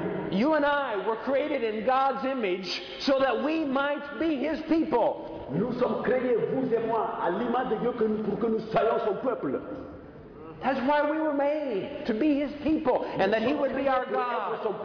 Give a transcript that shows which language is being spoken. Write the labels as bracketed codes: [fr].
[en] You and I were created in God's image so that we might be His people. [fr] Nous sommes créés, vous et moi, à l'image de Dieu pour que nous soyons son peuple. [en] That's why we were made, to be His people, and that He would be our God.